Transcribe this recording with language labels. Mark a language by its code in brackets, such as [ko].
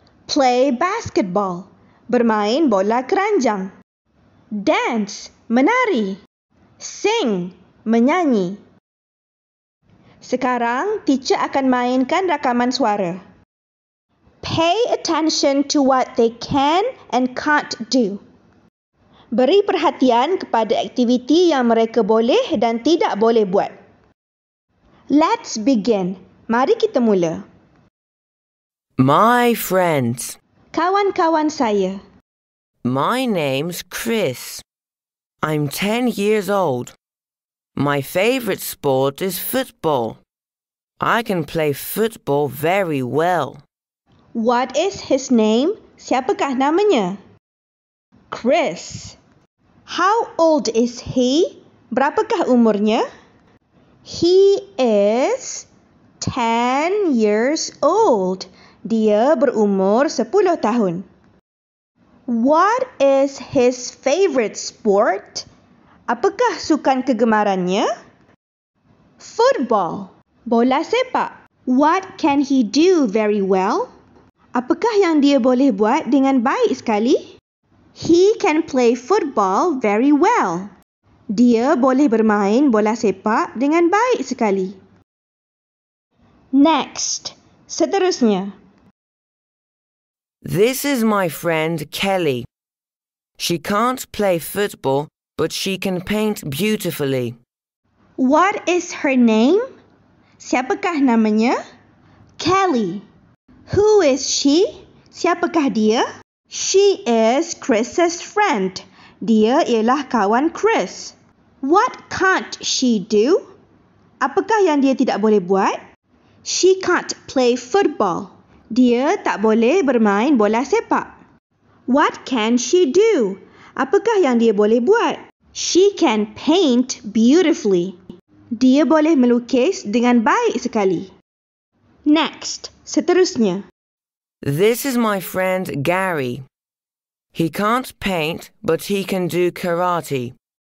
[en] Play basketball. [ms] Bermain bola keranjang. Dance, menari. Sing, menyanyi. Sekarang, teacher akan mainkan rakaman suara. [en] Pay attention to what they can and can't do. [ms] Beri perhatian kepada aktiviti yang mereka boleh dan tidak boleh buat. [en] Let's begin. [ms] Mari kita mula. [en] My friends. [ms] Kawan-kawan saya. [en] My name's Chris. I'm 10 years old. My favorite sport is football. I can play football very well. What is his name? [ms] Siapakah namanya? [en] Chris. How old is he? [ms] Berapakah umurnya? [en] He is 10 years old. [ms] Dia berumur 10 tahun. [en] What is his favorite sport? [ms] Apakah sukan kegemarannya? [en] Football. [ms] Bola sepak. [en] What can he do very well? [ms] Apakah yang dia boleh buat dengan baik sekali? [en] He can play football very well. [ms] Dia boleh bermain bola sepak dengan baik sekali. [en] Next. [ms] Seterusnya. [en] This is my friend Kelly. She can't play football, but she can paint beautifully. What is her name? [ms] Siapakah namanya? [en] Kelly. Who is she? [ms] Siapakah dia? [en] She is Chris's friend. [ms] Dia ialah kawan Chris. [en] What can't she do? [ms] Apakah yang dia tidak boleh buat? [en] She can't play football. [ms] Dia tak boleh bermain bola sepak. [en] What can she do? [ms] Apakah yang dia boleh buat? [en] She can paint beautifully. [ms] Dia boleh melukis dengan baik sekali. [en] Next, [ms] seterusnya. [en] This is my friend Gary. He can't paint, but he can do karate.